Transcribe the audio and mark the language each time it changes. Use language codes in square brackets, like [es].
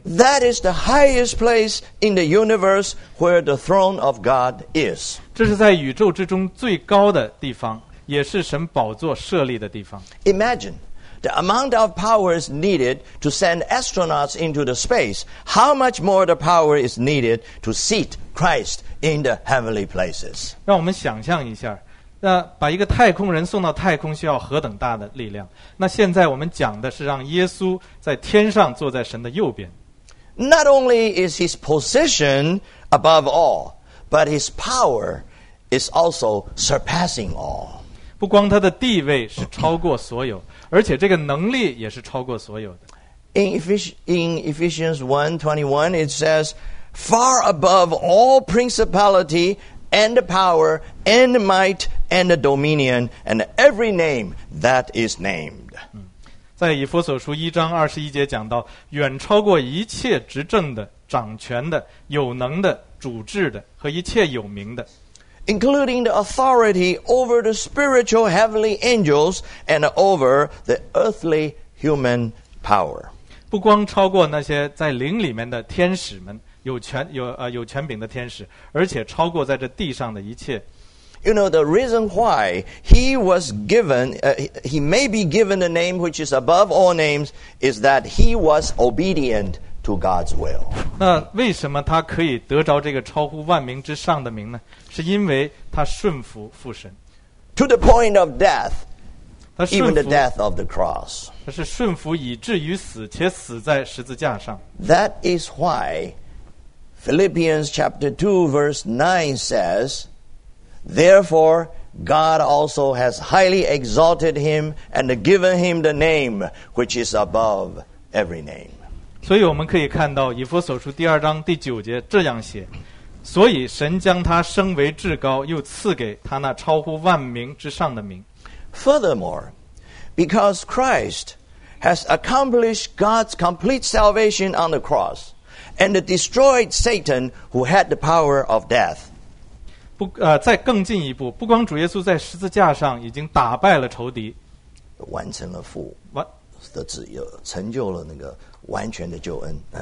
[en] That is the highest place in the universe where the throne of God is. [zh] 这是在宇宙之中最高的地方，也是神宝座设立的地方。 [en] Imagine the amount of power is needed to send astronauts into the space. How much more the power is needed to seat Christ in the heavenly places? [zh] 让我们想象一下。那把一个太空人送到太空需要何等大的力量？那现在我们讲的是让耶稣在天上坐在神的右边。 [en] Not only is his position above all, but his power is also surpassing all. [zh] 不光他的地位是超过所有，而且这个能力也是超过所有的。 [en] In Ephesians 1:21, it says, "Far above all principality." And the power, and the might, and the dominion, and every name that is named. [zh] 在以弗所书一章二十一节讲到，远超过一切执政的、掌权的、有能的、主治的和一切有名的。 [en] Including the authority over the spiritual heavenly angels and over the earthly human power. [zh] 不光超过那些在灵里面的天使们。有权柄的天使，而且超过在这地上的一切。 [en] You know the reason why he was given, he may be given the name which is above all names, is that he was obedient to God's will. [zh] 那为什么他可以得着这个超乎万名之上的名呢？是因为他顺服父神。 [en] To the point of death, even the death of the cross. [zh] 他是顺服以至于死，且死在十字架上。 [en] That is why. Philippians chapter 2 verse 9 says, Therefore, God also has highly exalted him and given him the name which is above every name. [zh] 所以我们可以看到以弗所书第二章第九节这样写，所以神将他升为至高，又赐给他那超乎万名之上的名。 [en] Furthermore, because Christ has accomplished God's complete salvation on the cross,And destroyed Satan, who had the power of death. [zh] 再更进一步，不光主耶稣在十字架上已经打败了仇敌，完成了父的旨意，成就了那个完全的救恩。